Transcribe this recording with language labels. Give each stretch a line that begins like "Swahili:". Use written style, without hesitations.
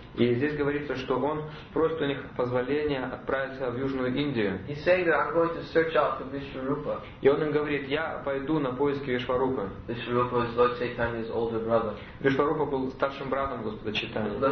Russian: И здесь говорится, что он просит у них позволения отправиться в Южную Индию.
English: He's saying that I'm going to search out for Vishwarupa.
Russian: И он им говорит, я пойду на поиски Вишварупы.
English: Vishwarupa is Lord Chaitanya's older brother.
Russian: Вишварупа был старшим братом Господа Чайтаньи.